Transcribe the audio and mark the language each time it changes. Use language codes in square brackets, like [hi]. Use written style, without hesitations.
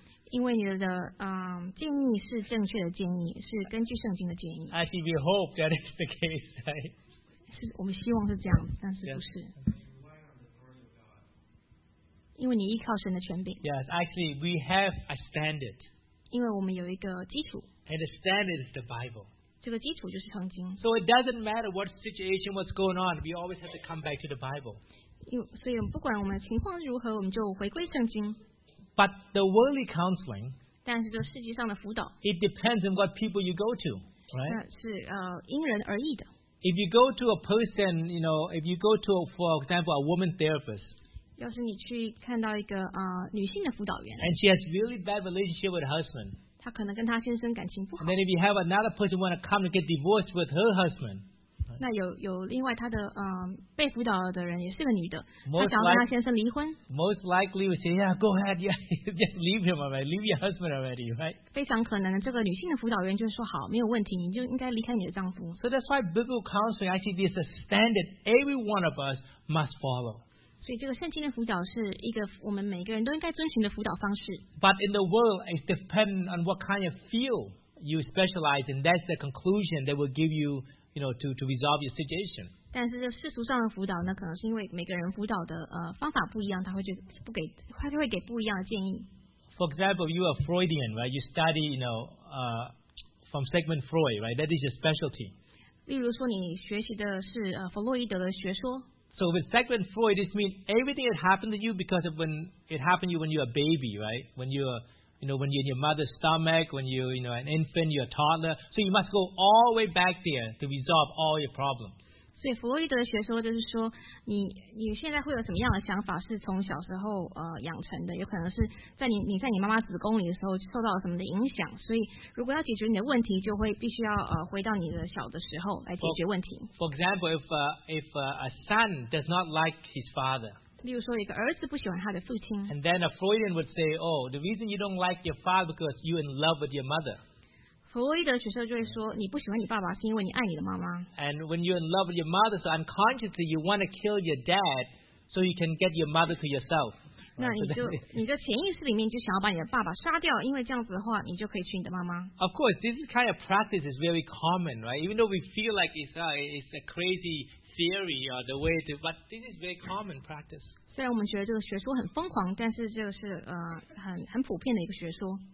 [zh] 因为你的建议是正确的建议，是根据圣经的建议。 [en] Actually, we hope that is the case, right? [zh] 是我们希望是这样，但是不是。 [en] Yes. [zh] 因为你依靠神的权柄。 [en] Yes, actually, we have a standard. [zh] 因为我们有一个基础。 [en] And the standard is the Bible. [zh] 这个基础就是圣经。 [en] So it doesn't matter what situation, what's going on. We always have to come back to the Bible. [zh] 所以不管我们的情况如何，我们就回归圣经。 [en] But the worldly counseling. [zh] 但是这世界上的辅导。 [en] It depends on what people you go to, right? [zh] 是因人而异的。 [en] If you go to a person, you know, if you go to, for example, a woman therapist, [zh] 要是你去看到一个女性的辅导员， [en] and she has really bad relationship with her husband, [zh] 她可能跟她先生感情不好。 [en] And then if you have another person want to come to get divorced with her husband, [zh] 那有另外她的被辅导的人也是个女的，她想要跟她先生离婚。 [en] Most likely would say, yeah, go ahead, yeah, just leave him already, leave your husband already, right? [zh] 非常可能这个女性的辅导员就说好，没有问题，你就应该离开你的丈夫。 [en] So that's why biblical counseling, I think, this is a standard every one of us must follow. [zh] 所以这个圣经的辅导是一个我们每个人都应该遵循的辅导方式。 [en] But in the world, it's dependent on what kind of field you specialize in. That's the conclusion they will give you. You know, to resolve your situation. [zh] 但是这世俗上的辅导呢，可能是因为每个人辅导的方法不一样，他就会给不一样的建议。 [en] For example, you are Freudian, right? You study, you know, from Sigmund Freud, right? That is your specialty. [zh] 例如说，你学习的是弗洛伊德的学说。 [en] So with Sigmund Freud, this means everything that happened to you because of when it happened to you when you're a baby, right? When when you're in your mother's stomach, when you're, you know, an infant, you're a toddler. So you must go all the way back there to resolve all your problems. [zh] 所以弗洛伊德的学说就是说，你现在会有什么样的想法是从小时候养成的，有可能是在你在你妈妈子宫里的时候受到了什么的影响。所以如果要解决你的问题，就会必须要回到你的小的时候来解决问题。 [en] For example, if a son does not like his father. [zh] 例如说，一个儿子不喜欢他的父亲。 [en] And then a Freudian would say, "Oh, the reason you don't like your father is because you're in love with your mother." [zh] 弗洛伊德学说就会说，你不喜欢你爸爸是因为你爱你的妈妈。 [en] And when you're in love with your mother, so unconsciously you want to kill your dad so you can get your mother to yourself. [zh] 那你的潜意识里面就想要把你的爸爸杀掉，因为这样子的话，你就可以娶你的妈妈。 [en] Of course, this kind of practice is very common, right? Even though we feel like it's a crazy. Theory or the way to, but this is very common practice. [zh] 虽然我们觉得这个学说很疯狂，但是这个是很普遍的一个学说。